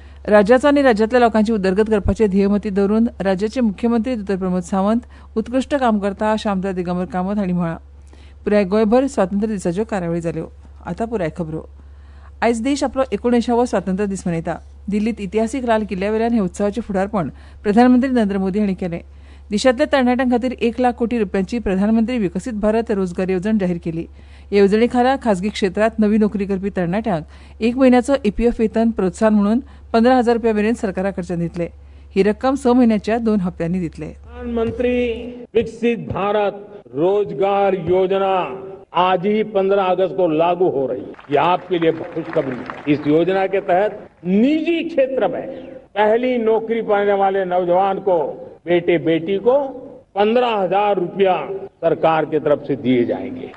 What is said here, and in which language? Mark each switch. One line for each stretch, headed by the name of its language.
Goan Konkani: राज्याचो आनी राज्यांतल्या लोकांची उदरगत करपाचे ध्येयमती धरून राज्याचे मुख्यमंत्री दत्त प्रमोद सावंत उत्कृश्ट काम करता अशें आमदार दिगंबर कामत हांणी म्हळां. पुराय गोंयभर स्वातंत्र्य दिसाच्यो कार्यावळी जाल्यो. आतां पुराय खबरो. आयज देश आपलो 19वो स्वातंत्र्य दीस मनयता. दिल्लीत इतिहासीक लाल किल्ल्यावेल्यान हे उत्सवाचे फुडारपण प्रधानमंत्री नरेंद्र मोदी हांणी केले. देशांतल्या तरणाट्यां खातीर 1,00,000 कोटी रुपयांची प्रधानमंत्री विकसीत भारत रोजगार येवजण जाहीर केली. हे येवजणे खाला खासगी क्षेत्रांत नवी नोकरी करपी तरणाट्यांक 1 महिन्याचो ईपीएफ वेतन प्रोत्साहन म्हणून 15,000 रुपया मेरेन सरकाराकडच्यान दितले. ही रक्कम 6 महिन्याच्या 2 हप्त्यांनी दितले.
Hindi: प्रधानमंत्री विकसित भारत रोजगार योजना आज ही 15 अगस्त को लागू हो रही है. यह आपके लिए खुशखबरी. इस योजना के तहत निजी क्षेत्र में पहली नौकरी पाने वाले नौजवान को बेटे बेटी को 15,000 रुपया सरकार की तरफ से दिए जाएंगे.